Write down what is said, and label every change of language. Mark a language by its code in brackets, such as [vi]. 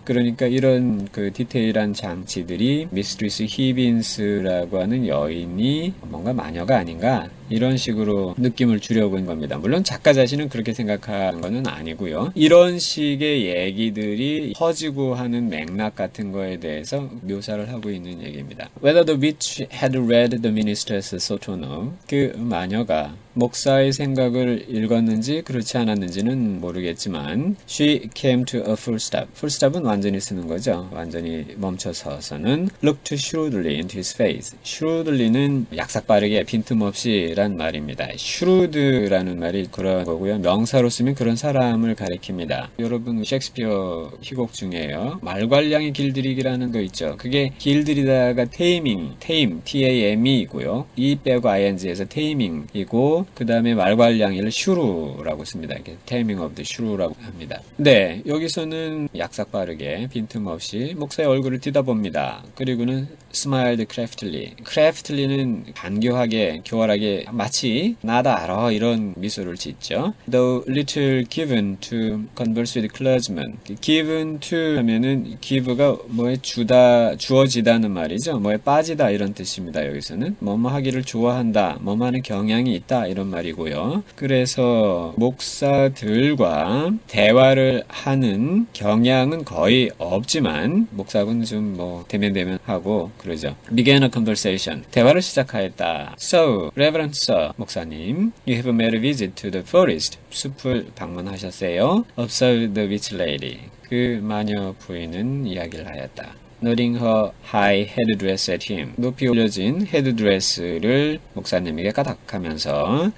[ko] 그러니까 이런 그 디테일한 장치들 미스트리스 히빈스라고 하는 여인이 뭔가 마녀가 아닌가 이런 식으로 느낌을 주려고 한 겁니다. 물론 작가 자신은 그렇게 생각한 거는 아니고요. 이런 식의 얘기들이 퍼지고 하는 맥락 같은 거에 대해서 묘사를 하고 있는 얘기입니다. [en] Whether the witch had read the minister's sotonome, [ko] 그 마녀가 목사의 생각을 읽었는지 그렇지 않았는지는 모르겠지만 [en] she came to a full stop. [ko] full stop은 완전히 쓰는 거죠. 완전히 멈춰서서는 [en] looked shrewdly into his face. [ko] shrewdly는 약삭빠르게 빈틈없이 라는 말입니다. 슈루드라는 말이 그런 거고요. 명사로 쓰면 그런 사람을 가리킵니다. 여러분 셰익스피어 희곡 중에요. 말괄량이 길들이기라는 거 있죠. 그게 길들이다가 테이밍, 테임, T-A-M-E이고요. E 빼고 ING에서 테이밍이고 그 다음에 말괄량이를 슈루라고 씁니다. 이게 테이밍 오브 더 슈루라고 합니다. 네, 여기서는 약삭빠르게 빈틈없이 목사의 얼굴을 뒤다봅니다. 그리고는 [en] smiled craftily. [ko] craftily는 간교하게, 교활하게, 마치 나다 알아 이런 미소를 짓죠. [en] though little given to converse with clergymen. [ko] given to 하면은 give가 뭐에 주다, 주어지다는 말이죠. 뭐에 빠지다 이런 뜻입니다. 여기서는 뭐뭐 하기를 좋아한다, 뭐뭐하는 경향이 있다 이런 말이고요. 그래서 목사들과 대화를 하는 경향은 거의 없지만 목사군 좀뭐 대면대면 하고 그러죠. [en] began a conversation. [ko] 대화를 시작하였다. [en] So, Reverend Sir, 목사님, you have made a visit to the forest. [ko] 숲을 방문하셨어요. [en] observed the witch lady. [ko] 그 마녀 부인은 이야기를 하였다. [en] nodding her high headdress at him. [ko] 높이 올려진 헤드드레스를 목사님에게 까닥하면서